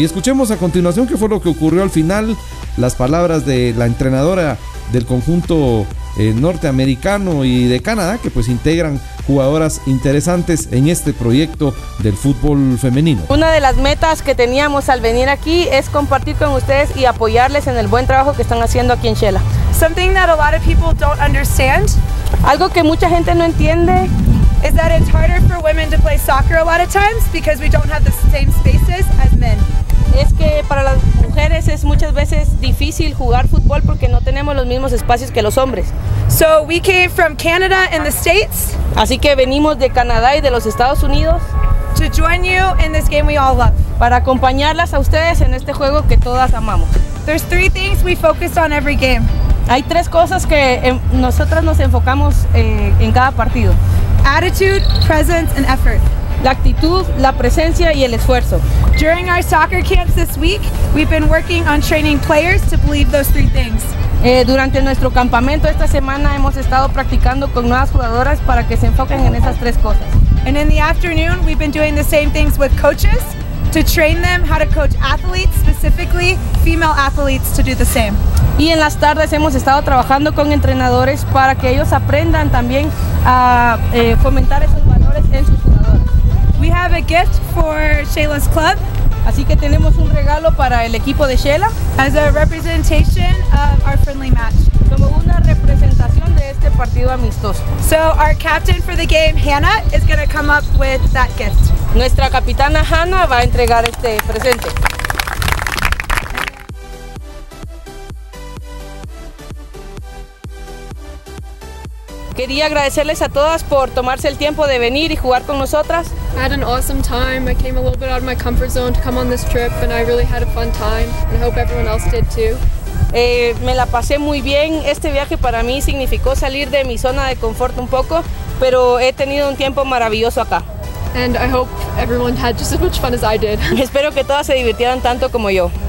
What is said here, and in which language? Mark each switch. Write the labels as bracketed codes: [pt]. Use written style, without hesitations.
[es] Y escuchemos a continuación qué fue lo que ocurrió al final, las palabras de la entrenadora del conjunto norteamericano y de Canadá, que pues integran jugadoras interesantes en este proyecto del fútbol femenino. Una de las metas que teníamos al venir aquí es compartir con ustedes y apoyarles en el buen trabajo que están haciendo aquí en Shela. [en] Something that a lot of people don't understand. [es] Algo que mucha gente no entiende es que es [en] harder for women to play soccer a lot of times because we don't have the same spaces as men. [es] Es que para las mujeres es muchas veces difícil jugar fútbol porque no tenemos los mismos espacios que los hombres. [en] So we came from Canada and the States. [es] Así que venimos de Canadá y de los Estados Unidos. [en] To join you in this game we all love. [es] Para acompañarlas a ustedes en este juego que todas amamos. [en] There's three things we focus on every game. [es] Hay tres cosas que nosotras nos enfocamos en cada partido. [en] Attitude, presence and effort. [es] La actitud, la presencia y el esfuerzo. [en] During our soccer camps this week, we've been working on training players to believe those three things. [es] Durante nuestro campamento esta semana hemos estado practicando con nuevas jugadoras para que se enfoquen en esas tres cosas. [en] And in the afternoon, we've been doing the same things with coaches to train them how to coach athletes, specifically female athletes, to do the same. [es] Y en las tardes hemos estado trabajando con entrenadores para que ellos aprendan también a fomentar esos valores en sus jugadores. [en] We have a gift for Shela's club. [es] Así que tenemos un regalo para el equipo de Shela. [en] As a representation of our friendly match. [es] Como una representación de este partido amistoso. [en] So our captain for the game, Hannah, is going to come up with that gift. [es] Nuestra capitana Hannah va a entregar este presente. Quería agradecerles a todas por tomarse el tiempo de venir y jugar con nosotras. [en] I had an awesome time. I came a little bit out of my comfort zone to come on this trip and I really had a fun time. And I hope everyone else did too. [es] Me la pasé muy bien. Este viaje para mí significó salir de mi zona de confort un poco, pero he tenido un tiempo maravilloso acá. [en] And I hope everyone had just as much fun as I did. [es] Espero que todas se divirtieran tanto como yo.